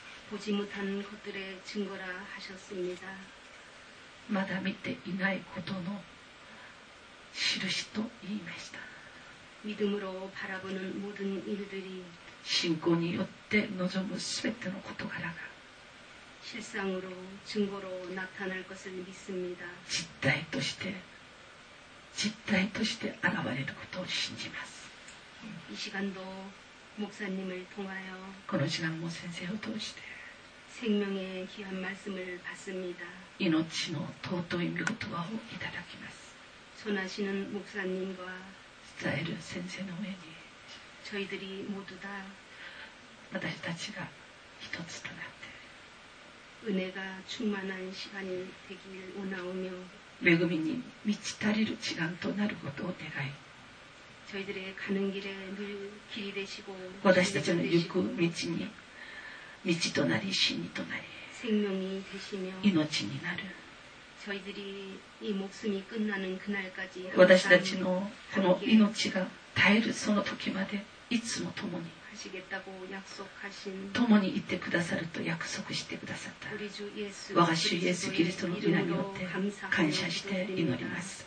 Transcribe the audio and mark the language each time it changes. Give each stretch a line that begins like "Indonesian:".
Korean: 보지못한것들의증거라하셨습니다、
Japanese: まだ見ていないことの印と言いました。
Korean: 믿음으로바라보는모든일들이、
Japanese: 信仰によって望むすべての事柄が
Korean: 실상으로증거로나타날것을믿습니다、
Japanese: 実態として実態として現れることを信じます。
Korean: 이시간도목사님을통하여
Japanese: この時間も先生を通して
Korean: 생명의귀한말씀을받습니다
Japanese: 命の尊い御言葉をいただきます。
Korean: 전하시는목사님과
Japanese: 伝える先生の上に
Korean: 저희들이모두다
Japanese: 私たちが一つとなって
Korean: 은혜가충만한시간이되기를원하오며
Japanese: 恵みに満ち足りる時間となることを願い
Korean: 저희들의가는길에늘길이되시고
Japanese: 私たちの行く道に道となり真理となり
Korean: 생명이되시며
Japanese: 命になる
Korean: 저희들이이목숨이끝나는그날까지
Japanese: 私たちのこの命が耐えるその時までいつも共に
Korean: 하시겠다고약속하신
Japanese: 共にいてくださると約束してくださった
Korean: 우리주예수
Japanese: 我が主イエスキリストの皆によって感謝して祈ります。